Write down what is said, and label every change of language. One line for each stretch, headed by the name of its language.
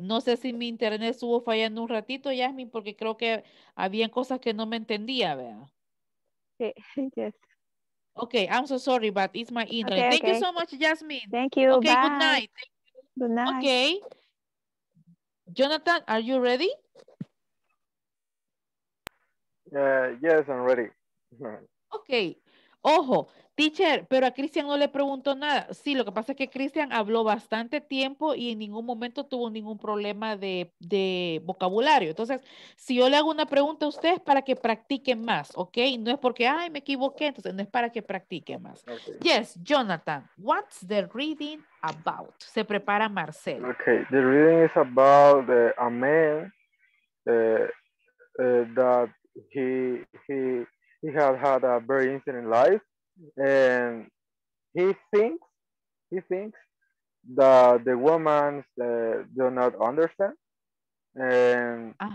Spanish: No sé si mi internet estuvo fallando un ratito, Jasmine, porque creo que había cosas que no me entendía, ¿verdad? Sí, yes.
English: Okay, I'm so sorry, but it's my internet. Okay, thank you so much, Jasmine. Thank you. Okay, bye. Good night. Thank you. Good night. Okay. Jonathan, are you ready? Yes, I'm ready.
Spanish: Ok, ojo, teacher, pero a Cristian no le preguntó nada. Sí, lo que pasa es que Cristian habló bastante tiempo y en ningún momento tuvo ningún problema de vocabulario. Entonces, si yo le hago una pregunta a ustedes para que practiquen más, ok, no es porque, ay, me equivoqué, entonces no es para que practiquen más.
English: Okay. Yes, Jonathan, what's the reading about?
Spanish: Se prepara Marcelo.
English: Ok, the reading is about a man that he has had a very interesting life, and he thinks that the woman do not understand, and